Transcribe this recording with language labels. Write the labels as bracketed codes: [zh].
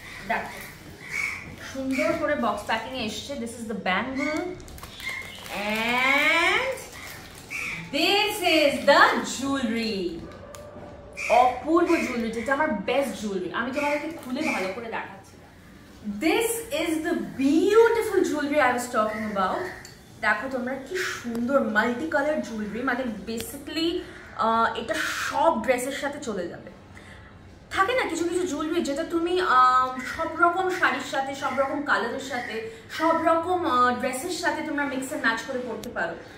[bn] দেখো সুন্দর করে বক্স প্যাকিং এ এসেছে, [en] This is the bangle and this is the jewellery. [bn] Apurba jewellery, যেটা আমার বেস্ট জুয়েলারি, আমি তোমাদেরকে খুলে ভালো করে দেখাচ্ছি। [en] This is the beautiful jewelry I was talking about. [bn] দেখো তোমরা কি সুন্দর মাল্টি কালার জুয়েলারি, মানে বেসিক্যালি এটা সব ড্রেসের সাথে চলে যাবে। থাকে না কিছু কিছু জুয়েলারি যেটা তুমি সব রকম শাড়ির সাথে, সব রকম কালারের সাথে, সব রকম ড্রেসের সাথে তোমরা [en] mix and match [bn] করে পরতে পারো।